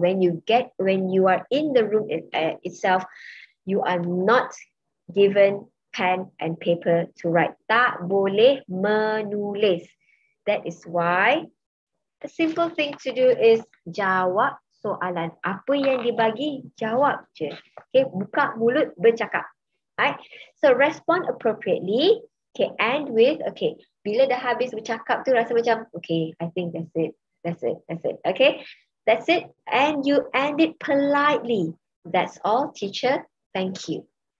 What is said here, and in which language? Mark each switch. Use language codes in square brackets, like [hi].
[en] When you are in the room itself, you are not given pen and paper to write. [ms] Tak boleh menulis. [en] That is why the simple thing to do is [ms] jawab soalan. Apa yang dibagi, jawab je. Okay. Buka mulut, bercakap. Right. [en] So respond appropriately. Okay. And with, okay, [ms] bila dah habis bercakap tu rasa macam, [en] okay, I think that's it, okay? That's it, and you end it politely. That's all, teacher, thank you.